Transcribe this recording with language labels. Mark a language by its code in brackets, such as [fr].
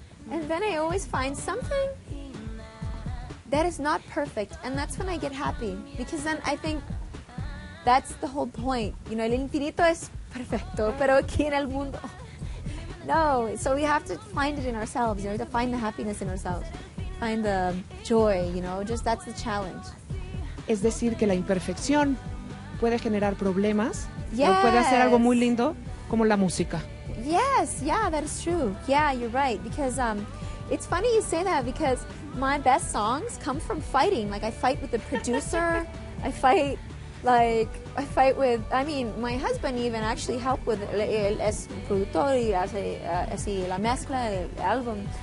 [en] And then I always find something that is not perfect, and that's when I get happy, because then I think that's the whole point. You know, [es] el infinito es perfecto, pero aquí en el mundo. [en] No, so we have to find it in ourselves. You know, to find the happiness in ourselves. Find the joy, you know, just that's the challenge. [es] Es decir, que la imperfección puede generar problemas, [en] yes, [es] o puede hacer algo muy lindo como la música. [en] Yes, yeah, that is true. Yeah, you're right, because it's funny you say that, because my best songs come from fighting. Like, I fight with the producer, I fight with, I mean, my husband even actually helped with [es] el productor y así la mezcla del álbum.